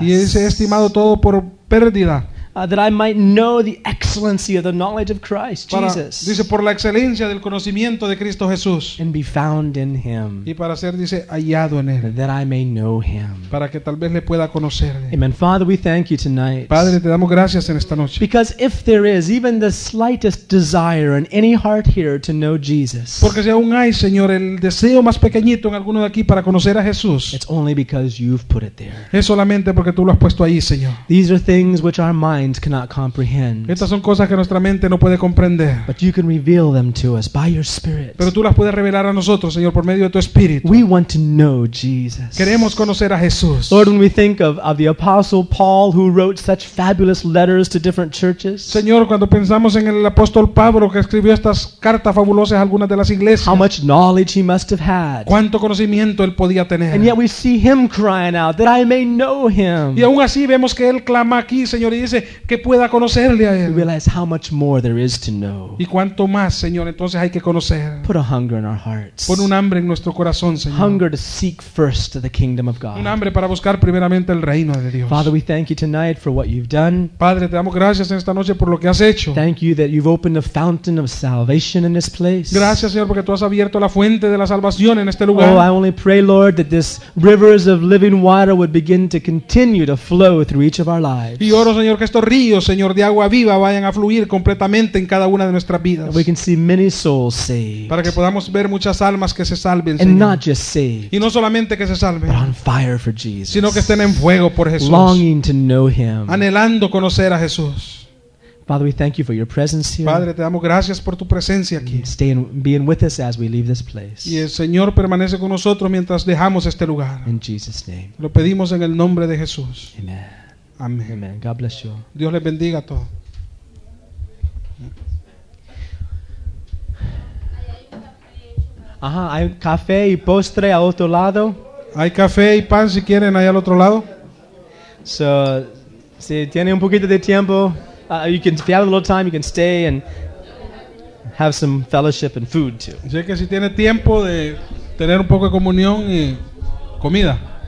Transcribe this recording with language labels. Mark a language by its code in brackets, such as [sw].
[es] Y él dice, he estimado todo por pérdida. [en] That I might know the excellency of the knowledge of Christ, Jesus. [es] Dice, por la excelencia del conocimiento de Cristo Jesús. [en] And be found in him. [es] Y para ser, dice, hallado en él. [en] That I may know him. [es] Para que tal vez le pueda conocer. [en] Amen. Father, we thank you tonight. [es] Padre, te damos gracias en esta noche. [en] Because if there is even the slightest desire in any heart here to know Jesus. [es] Porque si aún hay, Señor, el deseo más pequeñito en alguno de aquí para conocer a Jesús. [en] It's only because you've put it there. [es] Es solamente porque tú lo has puesto ahí, Señor. [en] These are things which are mine. Minds cannot comprehend. [es] Estas son cosas que nuestra mente no puede comprender. [en] But you can reveal them to us by your Spirit. [es] Pero tú las puedes revelar a nosotros, Señor, por medio de tu Espíritu. [en] We want to know Jesus. [es] Queremos conocer a Jesús. [en] Lord, when we think of the Apostle Paul who wrote such fabulous letters to different churches. [es] Señor, cuando pensamos en el apóstol Pablo que escribió estas cartas fabulosas a algunas de las iglesias. [en] How much knowledge he must have had. [es] Cuánto conocimiento él podía tener. [en] And yet we see him crying out that I may know him. [es] Y aún así vemos que él clama aquí, Señor, y dice que pueda conocerle a él. [en] We realize how much more there is to know. [es] Y cuánto más, Señor, entonces hay que conocer. [en] Put a hunger in our hearts. [es] Pon un hambre en nuestro corazón, Señor. [en] Hunger to seek first the kingdom of God. [es] Un hambre para buscar primeramente el reino de Dios. [en] Father, we thank you tonight for what you've done. [es] Padre, te damos gracias en esta noche por lo que has hecho. [en] Thank you that you've opened a fountain of salvation in this place. [es] Gracias, Señor, porque tú has abierto la fuente de la salvación en este lugar. [en] Oh, I only pray, Lord, that this rivers of living water would begin to continue to flow through each of our lives. [es] Y oro, Señor, que estos ríos, Señor, de agua viva vayan a fluir completamente en cada una de nuestras vidas. [en] We can see many souls saved. [es] Para que podamos ver muchas almas que se salven, [en] and [es] Señor. [en] Not just saved, [es] y no solamente que se salven, [en] but on fire for Jesus. [es] Sino que estén en fuego por Jesús. [en] Longing to know him. [es] Anhelando conocer a Jesús. [en] Father, we thank you for your presence here. [es] Padre, te damos gracias por tu presencia aquí. [en] Stay in, being with us as we leave this place. [es] Y el Señor permanece con nosotros mientras dejamos este lugar. [en] In Jesus' name. [es] Lo pedimos en el nombre de Jesús. [en] Amen. Amen. Amen. God bless you. [es] Dios les bendiga a todos. Ajá, hay café y postre al otro lado. Hay café y pan si quieren ahí al otro lado. [en] So, [es] si tiene un poquito de tiempo, [en] you can, if you have a little time, you can stay and have some fellowship and food too. [es] Sé que si tiene tiempo de tener un poco de comunión y comida.